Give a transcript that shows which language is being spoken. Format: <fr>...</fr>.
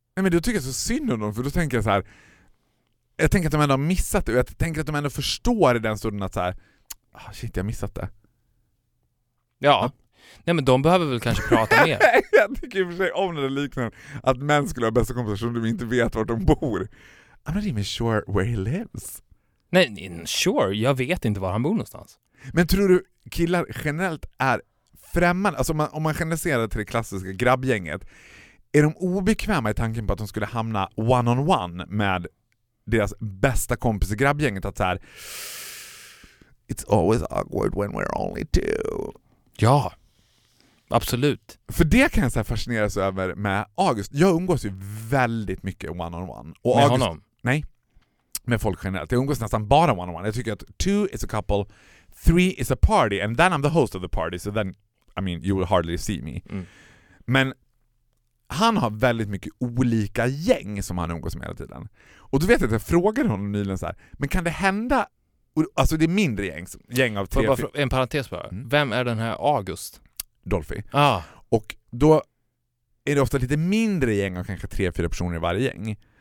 <sv>Nej, men då tycker jag så synd om dem, för då tänker jag så här, jag tänker att de ändå har missat det, och jag tänker att de ändå förstår i den stunden att så här,</sv> <en>oh shit,</en> <sv>jag har missat det. Ja. Nej, men de behöver väl kanske prata mer. Jag tycker i och för sig om det liknar att män skulle ha bästa kompisar som de inte vet var de bor.</sv> <en>I'm not even sure where he lives.</en> <sv>Nej, sure, jag vet inte var han bor någonstans. Men tror du killar generellt är främmande, alltså om man generaliserar till det klassiska grabbgänget, är de obekväma i tanken på att de skulle hamna</sv> <en>one on one</en> <sv>med deras bästa kompis i grabbgänget, att så här,</sv> <en>it's always awkward when we're only two.</en> <sv>Ja, absolut. För det kan jag så här fascineras över med August. Jag umgås ju väldigt mycket</sv> <en>one on one.</en> <sv>Och med August, honom? Nej, med folk generellt. Jag umgås nästan bara</sv> <en>one on one.</en> <sv>Jag tycker att</sv> <en>2 is a couple, 3 is a party, and then I'm the host of the party, so then I mean, you will hardly see me. Mm.</en> <sv>Men han har väldigt mycket olika gäng som han umgås med hela tiden. Och du vet att jag frågade honom nyligen så här, men kan det hända, alltså det är mindre gäng, gäng av 3. En parentes bara. Mm. Vem är den här August? Dolphy. Ah. Och då är det ofta lite mindre gäng av kanske 3-4 personer i varje gäng.</sv>